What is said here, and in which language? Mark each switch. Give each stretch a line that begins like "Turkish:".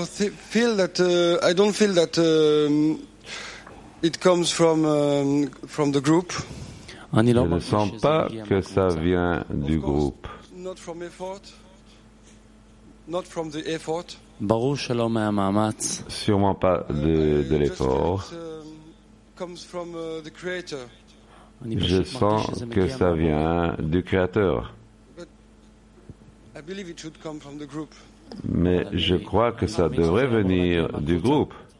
English: I don't feel that it comes from the group.
French: Je ne sens pas que ça vient du groupe.
English: Not from the effort.
Hebrew: Baruch shalom ha'amatz.
French: Sûrement pas de l'effort.
English: Comes from the creator.
French: Je sens que ça vient du créateur.
English: But I believe it should come from the group.
French: Mais je crois que ça devrait venir du groupe.